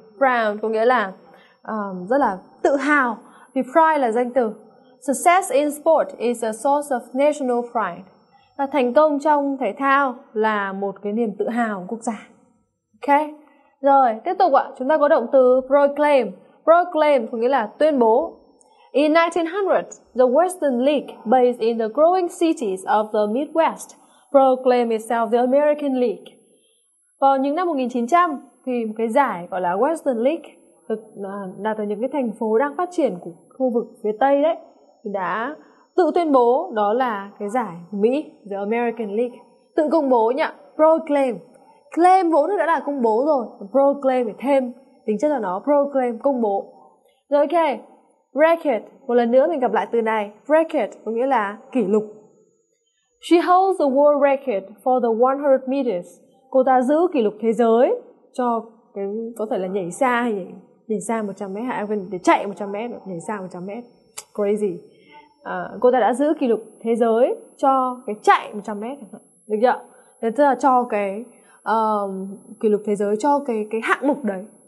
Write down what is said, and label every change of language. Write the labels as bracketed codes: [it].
[vi] Proud có nghĩa là rất là tự hào. Thì pride là danh từ. [en] Success in sport is a source of national pride. [vi] Là thành công trong thể thao là một cái niềm tự hào của quốc gia. Ok. Rồi, tiếp tục ạ. Chúng ta có động từ proclaim. Proclaim có nghĩa là tuyên bố. [en] In 1900, the Western League, based in the growing cities of the Midwest, proclaimed itself the American League. [vi] Vào những năm 1900 thì một cái giải gọi là Western League được đặt ở những cái thành phố đang phát triển của khu vực phía Tây đấy thì đã tự tuyên bố đó là cái giải Mỹ, The American League. Tự công bố nhỉ? Proclaim. Claim vốn đã là công bố rồi. Proclaim phải thêm tính chất là nó. Proclaim, công bố. Rồi ok. Bracket. Một lần nữa mình gặp lại từ này. Bracket có nghĩa là kỷ lục. [en] She holds the world record for the 100 meters. [vi] Cô ta giữ kỷ lục thế giới cho cái có thể là nhảy xa hay nhảy xa 100m hay để chạy 100m, nhảy xa 100m. [en] Crazy. [vi] Cô ta đã giữ kỷ lục thế giới cho cái chạy 100m. Được chưa? Thế tức là cho cái kỷ lục thế giới cho cái hạng mục đấy.